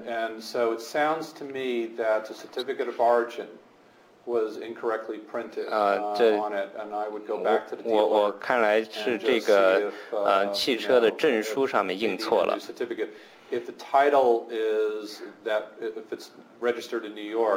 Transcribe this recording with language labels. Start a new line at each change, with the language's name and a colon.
English: And so it sounds to me that the certificate of origin was incorrectly printed on it, and I would go back to the dealer.
Chinese: 我看来是这个汽车的证书上面印错了。
English: Certificate. If the title is that, if it's registered in New York,